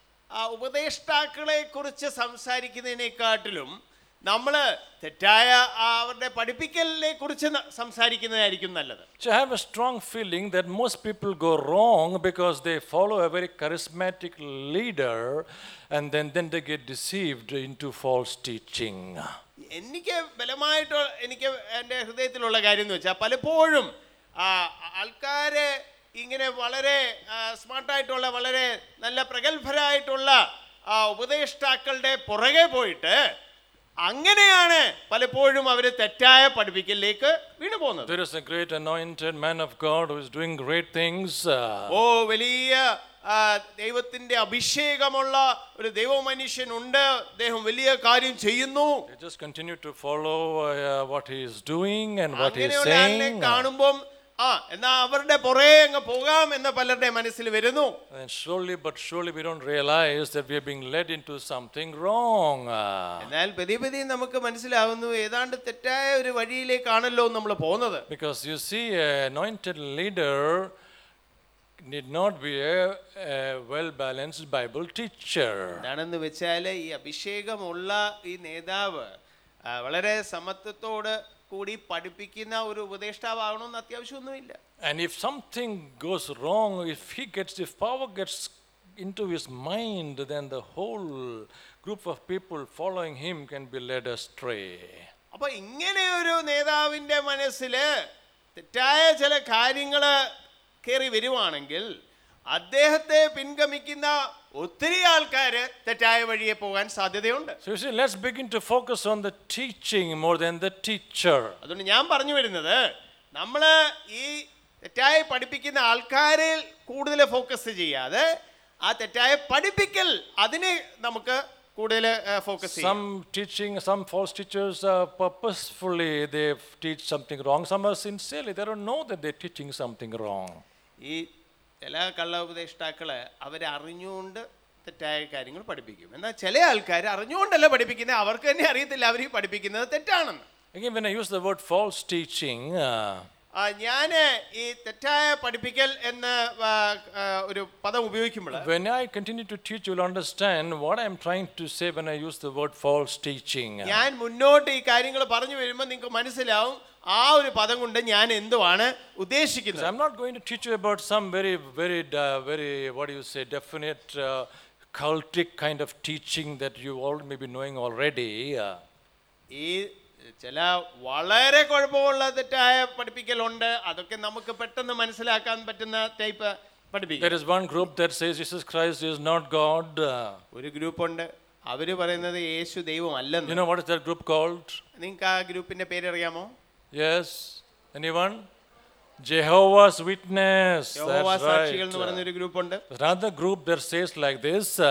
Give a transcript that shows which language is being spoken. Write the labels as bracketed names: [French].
[Malayalam] ആ ഉപദേഷ്ടാക്കളെ കുറിച്ച് സംസാരിക്കുന്നതിനെക്കാട്ടിലും നമ്മൾ തെറ്റായ അവരുടെ പഠിപ്പിക്കലിനെ കുറിച്ച് സംസാരിക്കുന്നതായിരിക്കും നല്ലത്. [English] To have a strong feeling that most people go wrong because they follow a very charismatic leader and then they get deceived into false teaching. [Malayalam] എനിക്ക് ബലമായിട്ട് എനിക്ക് എൻ്റെ ഹൃദയത്തിലുള്ള കാര്യം എന്ന് വെച്ചാൽ പലപ്പോഴും ആൾക്കാരെ ഇങ്ങനെ വളരെ സ്മാർട്ടായിട്ടുള്ള വളരെ നല്ല പ്രഗത്ഭരായിട്ടുള്ള ആ ഉപദേഷ്ടാക്കളുടെ പുറകെ പോയിട്ട് അങ്ങനെയാണ് പലപ്പോഴും അവർ തെറ്റായ പഠിപ്പിക്കലിലേക്ക് വീണു പോകുന്നത്. [English] There is a great anointed man of God who is doing great things. [Malayalam] ഓ വലിയ ദൈവത്തിന്റെ അഭിഷേകമുള്ള ഒരു ദൈവമനുഷ്യൻ ഉണ്ട്, അദ്ദേഹം വലിയ കാര്യം ചെയ്യുന്നു. [English] Just continue to follow what he is doing and what he is saying. [Malayalam] അങ്ങനെ കാണുമ്പോൾ എന്നാ അവരുടെ പുറകെ അങ്ങ് പോകാം എന്ന് പലരുടെ മനസ്സിൽ വരുന്നു. [English] Surely but surely we don't realize that we are being led into something wrong. [Malayalam] എന്നാൽ പതിപതി നമുക്ക് മനസ്സിലാവുന്നു ഏതാണ്ട് തെറ്റായ ഒരു വഴിയിലേക്കാണല്ലോ നമ്മൾ പോകുന്നത്. [English] Because you see, an anointed leader need not be a well balanced Bible teacher. [Malayalam] എന്നാണെന്ന് വെച്ചാൽ ഈ അഭിഷേകമുള്ള ഈ നേതാവ് വളരെ സമത്വത്തോട് കൂടി പഠിപ്പിക്കുന്ന ഒരു ഉപദേഷ്ടാവണം എന്ന് അത്യാവശ്യമൊന്നുമില്ല. [English] And if something goes wrong, if he gets the power gets into his mind, then the whole group of people following him can be led astray. [Malayalam] അപ്പോൾ ഇങ്ങനെ ഒരു നേതാവിന്റെ മനസ്സിൽ തെറ്റായ ചില കാര്യങ്ങൾ കേറി വരുവാണെങ്കിൽ അദ്ദേഹത്തെ പിൻഗമിക്കുന്ന ഒത്തിരി ആൾക്കാർ തെറ്റായ വഴിയെ പോകാൻ സാധ്യതയുണ്ട്. [English] So you see, let's begin to focus on the teaching more than the teacher. [Malayalam] അതുകൊണ്ട് ഞാൻ പറഞ്ഞു വരുന്നത് നമ്മൾ ഈ തെറ്റായ പഠിപ്പിക്കുന്ന ആൾക്കാരിൽ കൂടുതൽ ഫോക്കസ് ചെയ്യാതെ ആ തെറ്റായ പഠിപ്പിക്കൽ അതിനെ നമുക്ക് കൂടുതൽ ഫോക്കസ് ചെയ്യാം. [English] Some false teachers purposefully they teach something wrong. Some are sincerely they don't know that they're teaching something wrong. [Malayalam] ഈ ചില കള്ള ഉപദേഷ്ടാക്കളെ അവരറിഞ്ഞുകൊണ്ട് തെറ്റായ കാര്യങ്ങൾ പഠിപ്പിക്കും. എന്നാൽ ചില ആൾക്കാർ അറിഞ്ഞുകൊണ്ടല്ല പഠിപ്പിക്കുന്നത്, അവർക്ക് തന്നെ അറിയത്തില്ല അവർ ഈ പഠിപ്പിക്കുന്നത് തെറ്റാണെന്ന്. [English] Again, when I use the word false teaching, [Malayalam] ഞാൻ ഈ തെറ്റായ പഠിപ്പിക്കൽ എന്ന ഒരു പദം ഉപയോഗിക്കുമ്പോൾ, [English] when I continue to teach, you will understand what I am trying to say when I use the word false teaching. [Malayalam] ഞാൻ മുന്നോട്ട് ഈ കാര്യങ്ങൾ പറഞ്ഞു വരുമ്പോൾ നിങ്ങൾക്ക് മനസ്സിലാവും ആ ഒരു പദം കൊണ്ട് ഞാൻ എന്തുവാണ് ഉദ്ദേശിക്കുന്നത്. [English] I'm not going to teach you about some very very very what do you say definite cultic kind of teaching that you all may be knowing already. [Malayalam] ഈ ചില വളരെ കുഴപ്പമുള്ള തെറ്റായ പഠിപ്പിക്കലുണ്ട്, അതൊക്കെ നമുക്ക് പെട്ടെന്ന് മനസ്സിലാക്കാൻ പറ്റുന്ന ടൈപ്പ് പഠിപ്പിക്കും. [English] There is one group that says Jesus Christ is not God. [Malayalam] ഒരു ഗ്രൂപ്പ് ഉണ്ട് അവര് പറയുന്നത് യേശു ദൈവമല്ലെന്ന്. [English] You know what is that group called? [Malayalam] നിങ്ങൾക്ക് ആ ഗ്രൂപ്പിന്റെ പേര് അറിയാമോ? [English] Yes, anyone? Jehovah's Witness. [Malayalam] Jehovah's Sakshigal nu parayna oru group undu. [English] Another group there says like this.